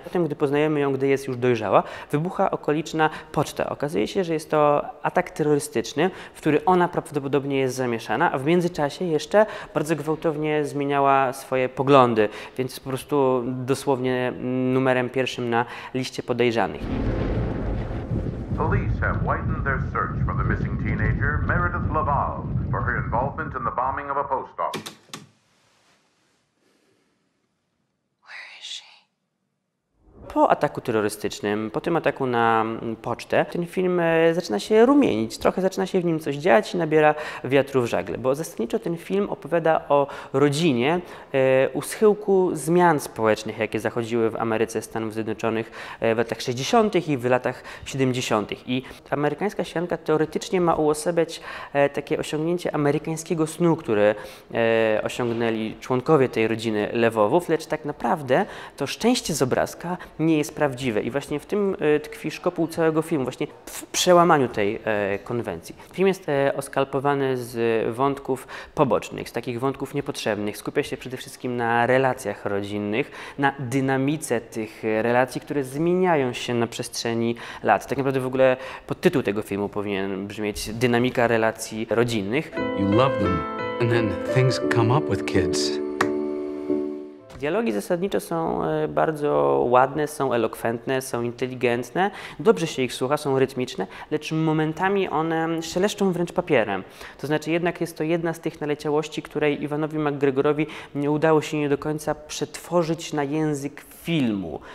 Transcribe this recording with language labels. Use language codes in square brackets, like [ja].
[pl] Potem, gdy poznajemy ją, gdy jest już dojrzała, wybucha okoliczna poczta. Okazuje się, że jest to atak terrorystyczny, w który ona prawdopodobnie jest zamieszana, a w międzyczasie jeszcze bardzo gwałtownie zmieniała swoje poglądy, więc po prostu dosłownie numerem pierwszym na liście podejrzanych. [en] Police have widened their search for the missing teenager Meredith Laval for her involvement in the bombing of a post office. [pl] Po ataku terrorystycznym, po tym ataku na pocztę, ten film zaczyna się rumienić, trochę zaczyna się w nim coś dziać i nabiera wiatru w żagle, bo zasadniczo ten film opowiada o rodzinie u schyłku zmian społecznych, jakie zachodziły w Ameryce Stanów Zjednoczonych w latach 60. i w latach 70. I Amerykańska Sielenka teoretycznie ma uosabiać takie osiągnięcie amerykańskiego snu, który osiągnęli członkowie tej rodziny Lewowów, lecz tak naprawdę to szczęście z obrazka nie jest prawdziwe i właśnie w tym tkwi szkopuł całego filmu, właśnie w przełamaniu tej konwencji. Film jest oskalpowany z wątków pobocznych, z takich wątków niepotrzebnych. Skupia się przede wszystkim na relacjach rodzinnych, na dynamice tych relacji, które zmieniają się na przestrzeni lat. Tak naprawdę w ogóle podtytuł tego filmu powinien brzmieć Dynamika relacji rodzinnych. [en] You love them and then things come up with kids. [pl] Dialogi zasadniczo są bardzo ładne, są elokwentne, są inteligentne, dobrze się ich słucha, są rytmiczne, lecz momentami one szeleszczą wręcz papierem. To znaczy jednak jest to jedna z tych naleciałości, której Iwanowi McGregorowi nie udało się nie do końca przetworzyć na język filmu.